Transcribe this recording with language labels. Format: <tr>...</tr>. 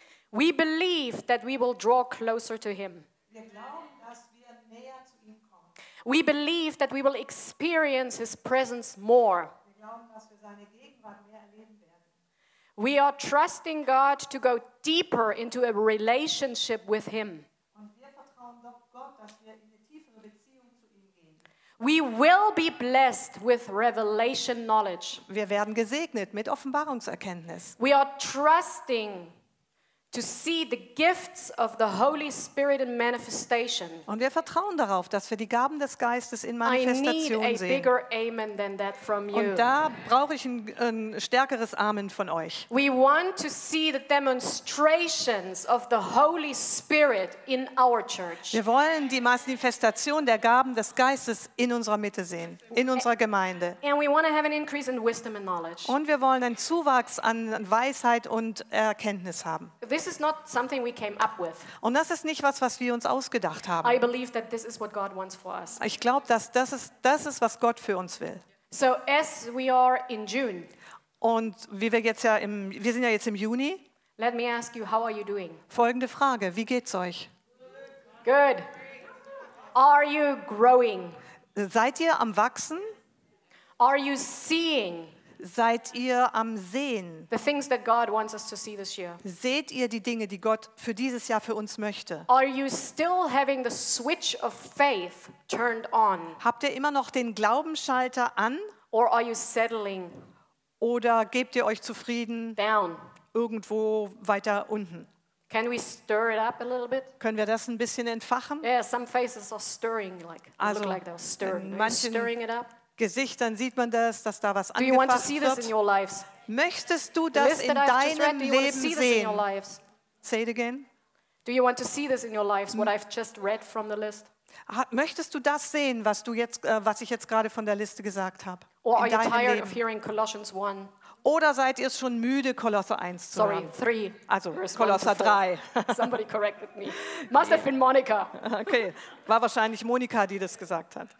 <en>We believe that we will draw closer to him.</en> <de>Wir glauben, dass wir näher zu ihm.</de> <en>We believe that we will experience his presence more.</en> <de>Wir glauben, dass wir seine Gegenwart mehr erleben werden.</de> <en>We are trusting God to go deeper into a relationship with him.</en> <de>Und wir vertrauen doch Gott, dass wir in eine tiefere Beziehung zu ihm gehen.</de> <en>We will be blessed with revelation knowledge.</en> <de>Wir werden gesegnet mit Offenbarungserkenntnis.</de> <en>We are trusting to see the gifts of the Holy Spirit in manifestation.</en> <de>Und wir vertrauen darauf, dass wir die Gaben des Geistes in Manifestation sehen.</de> <en>I need a bigger amen than that from you.</en> <de>Und da brauche ich ein stärkeres Amen von euch.</de> <en>We want to see the demonstrations of the Holy Spirit in our church.</en> <de>Wir wollen die Manifestation der Gaben des Geistes in unserer Mitte sehen, in unserer Gemeinde.</de> <en>And we want to have an increase in wisdom and knowledge.</en> <de>Und wir wollen einen Zuwachs an Weisheit und Erkenntnis haben.</de> <en>This is not something we came up with.</en> <de>Und das ist nicht was wir uns ausgedacht haben.</de> <en>I believe that this is what God wants for us.</en> <de>Ich glaube, dass das ist was Gott für uns will.</de> <en>So as we are in June.</en> <de>Und wie wir sind ja jetzt im Juni.</de> <en>Let me ask you, how are you doing?</en> <de>Folgende Frage, wie geht's euch?</de> <en>Good. Are you growing?</en> <de>Seid ihr am Wachsen?</de> <en>Are you seeing?</en> <de>Seid ihr am Sehen?</de> <en>The things that God wants us to see this year.</en> <de>Seht ihr die Dinge, die Gott für dieses Jahr für uns möchte?</de> <en>Are you still having the switch of faith turned on?</en> <de>Habt ihr immer noch den Glaubensschalter an?</de> <en>Or are you settling?</en> <de>Oder gebt ihr euch zufrieden?</de> <en>Down.</en> <de>Irgendwo weiter unten.</de> <en>Can we stir it up a little bit?</en> <de>Können wir das ein bisschen entfachen?</de> <en>Yeah, some faces are stirring, like also, look like they're stirring.</en> <de>Manchen</de> <en>stirring it up?</en> <de>Gesichtern sieht man das, dass da was angefacht wird.</de> <en>Do you want to see this in your lives?</en> <de>Möchtest du das in deinem Leben sehen?</de> <en>Say it again. Do you want to see this in your lives? What I've just read from the list.</en> <de>Möchtest du das sehen, was du jetzt, was ich jetzt gerade von der Liste gesagt habe?</de> <en>Or are you tired of hearing Colossians 1?</en> <de>Oder seid ihr schon müde, Kolosser 1 zu</de> <en>Sorry,</en> <de>haben?</de> <en>Three.</en> <de>Also Kolosser 3.</de> <en>Somebody corrected me. Must have been Monica.</en> <de>Okay, war wahrscheinlich Monika, die das gesagt hat.</de>